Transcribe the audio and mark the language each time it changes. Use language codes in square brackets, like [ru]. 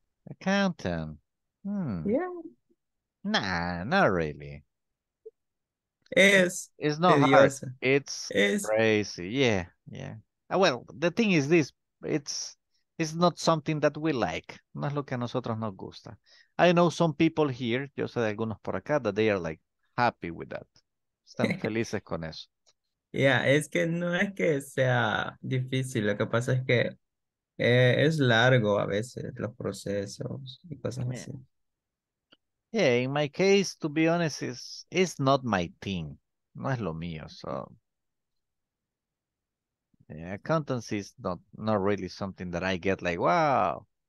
[en] Accountant. Yeah. Nah, not really. It's not tedioso. Hard. It's crazy. Yeah, yeah. Well, the thing is this. It's not something that we like. [es] No es lo que a nosotros nos gusta. [en] I know some people here, [es] yo sé de algunos por acá, [en] that they are like happy with that. [es] Están felices con eso. Yeah, es que no es que sea difícil. Lo que pasa es que es largo a veces los procesos y cosas así. [en] Yeah, in my case, to be honest, it's not my thing. [es] No es lo mío, so... [en] Yeah, accountancy is not really something that I get like, wow.